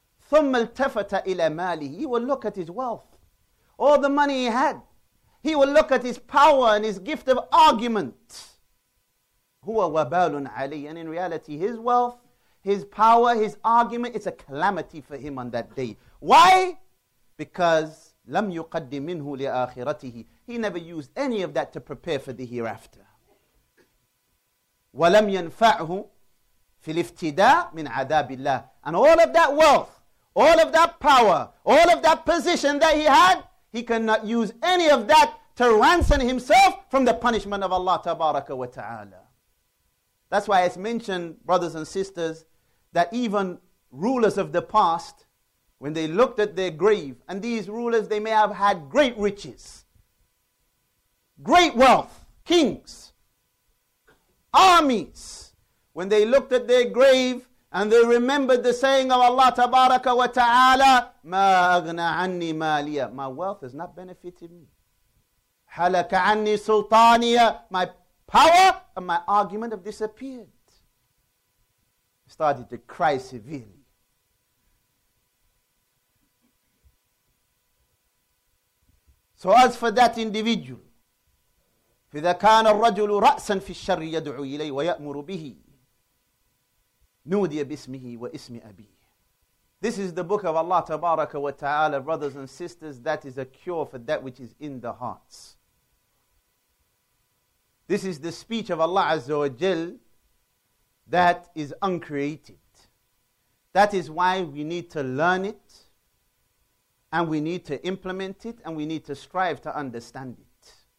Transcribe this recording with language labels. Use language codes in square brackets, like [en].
[ar] ثم التفت إلى ماله. [en] He will look at his wealth, all the money he had. He will look at his power and his gift of argument. [ar] هو وبال علي. [en] And in reality, his wealth, his power, his argument, it's a calamity for him on that day. Why? Because [ar] لم يقدم منه لآخرته. [en] He never used any of that to prepare for the hereafter. [ar] ولم ينفعه في الافتداء من عذاب الله. [en] And all of that wealth, all of that power, all of that position that he had, he cannot use any of that to ransom himself from the punishment of Allah Tabaraka wa Ta'ala. That's why it's mentioned, brothers and sisters, that even rulers of the past, when they looked at their grave, and these rulers, they may have had great riches, great wealth, kings, armies. When they looked at their grave, and they remembered the saying of Allah Tabaraka wa Ta'ala, [ar] مَا أَغْنَى عَنِّي مَالِيَ. [en] My wealth has not benefited me. [ar] حَلَكَ عَنِّي سُلْطَانِيَ. [en] My power and my argument have disappeared. Started to cry severely. So as for that individual, [ar] فِذَا كَانَ الرَّجُلُ رَأْسًا فِي الشَّرِّ يَدْعُو إِلَيْهِ وَيَأْمُرُ بِهِ نُودِيَ بِاسْمِهِ وَإِسْمِ أَبِيهِ. [en] This is the book of Allah Tabaraka wa Ta'ala, brothers and sisters, that is a cure for that which is in the hearts. This is the speech of Allah Azza wa Jal that is uncreated. That is why we need to learn it, and we need to implement it, and we need to strive to understand it.